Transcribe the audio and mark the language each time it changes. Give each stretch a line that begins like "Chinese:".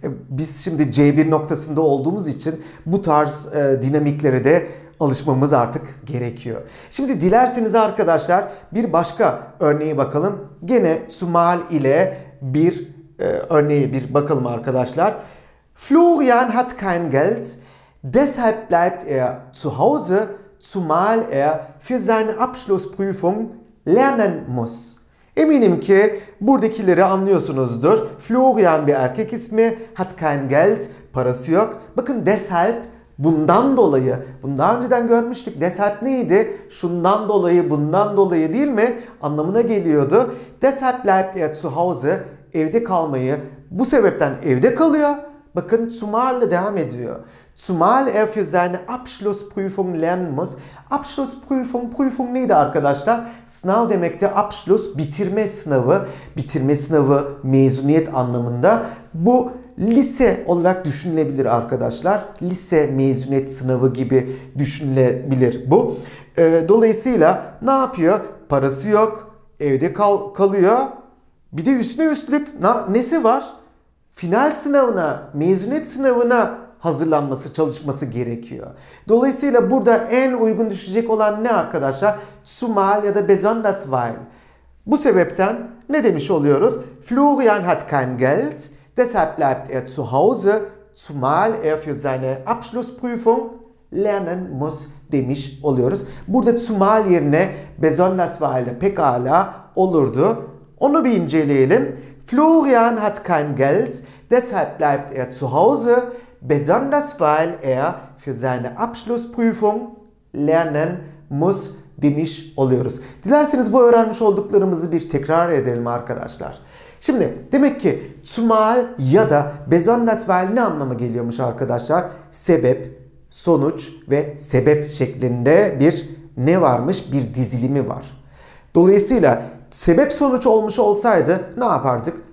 Turkish: Biz şimdi C1 noktasında olduğumuz için bu tarz dinamiklere de alışmamız artık gerekiyor. Şimdi dilerseniz arkadaşlar bir başka örneğe bakalım. Gene zumal ile bir örneğe bir bakalım arkadaşlar.
German: Florian hat kein Geld, deshalb bleibt er zu Hause, zumal er für seine Abschlussprüfung lernen muss.
Turkish: Eminim ki buradakileri anlıyorsunuzdur. Florian bir erkek ismi,
German: hat kein Geld,
Turkish: parası yok. Bakın deshalb bundan dolayı, bunu daha önceden görmüştük. Deshalb neydi? Şundan dolayı, bundan dolayı değil mi? Anlamına geliyordu.
German: Deshalb bleibt er zu Hause,
Turkish: evde kalmayı bu sebepten evde kalıyor. Bakın zumal'le devam ediyor.
German: Zumal er für seine Abschlussprüfung lernen muss.
Turkish: Abschlussprüfung, prüfung neydi arkadaşlar? Sınav demekti. Abschluss, bitirme sınavı. Bitirme sınavı mezuniyet anlamında. Bu lise olarak düşünülebilir arkadaşlar. Lise mezuniyet sınavı gibi düşünülebilir bu. Dolayısıyla ne yapıyor? Parası yok. Evde kalıyor. Bir de üstüne üstlük nesi var? Final sınavına, mezuniyet sınavına hazırlanması, çalışması gerekiyor. Dolayısıyla burada en uygun düşecek olan ne arkadaşlar? Zumal ya da besonders weil. Bu sebepten ne demiş oluyoruz?
German: Florian hat kein Geld, deshalb bleibt er zu Hause, zumal er für seine Abschlussprüfung lernen muss
Turkish: demiş oluyoruz. Burada zumal yerine besonders weil de pekala olurdu. Onu bir inceleyelim.
German: Florian hat kein Geld, deshalb bleibt er zu Hause, besonders weil er für seine Abschlussprüfung lernen muss
Turkish: demiş oluyoruz. Dilerseniz bu öğrenmiş olduklarımızı bir tekrar edelim arkadaşlar. Şimdi demek ki zumal ya da besonders weil ne anlama geliyormuş arkadaşlar? Sebep, sonuç ve sebep şeklinde bir ne varmış? Bir dizilimi var. Dolayısıyla sebep sonuç olmuş olsaydı ne yapardık?